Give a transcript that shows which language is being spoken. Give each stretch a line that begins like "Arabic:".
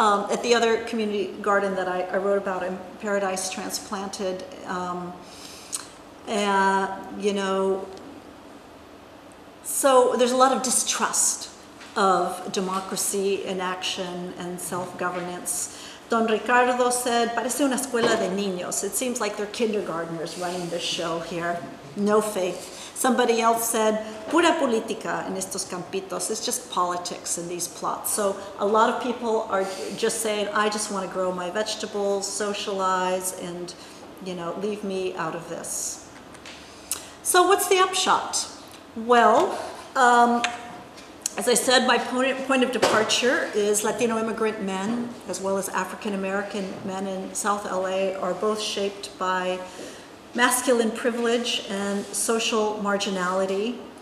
English: At the other community garden that I wrote about in Paradise Transplanted, you know, so there's a lot of distrust of democracy in action and self-governance. Don Ricardo said,
Spanish: parece una escuela de niños.
English: It seems like they're kindergartners running this show here. No faith. Somebody else said,
Spanish: pura política en estos campitos.
English: It's just politics in these plots. So a lot of people are just saying, I just want to grow my vegetables, socialize, and, you know, leave me out of this. So what's the upshot? Well, as I said, my point of departure is Latino immigrant men, as well as African American men in South LA, are both shaped by masculine privilege and social marginality.